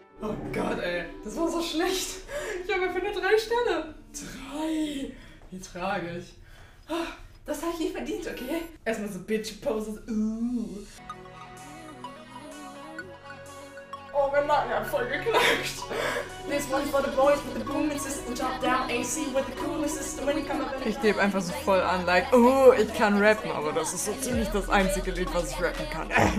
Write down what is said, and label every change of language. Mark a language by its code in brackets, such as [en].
[de] Oh Gott, ey, das war so schlecht! Ich habe einfach nur 3 Sterne! 3! Wie tragisch! Das habe ich nicht verdient, okay? Erstmal so Bitch-Poses. Oh, mein Magen hat voll geknackt. [en] This one's for the boys with the booming system. Top down AC with the coolest system. When you come up in. [de] Ich gebe einfach so voll an, like, ich kann rappen, aber das ist so ziemlich das einzige Lied, was ich rappen kann.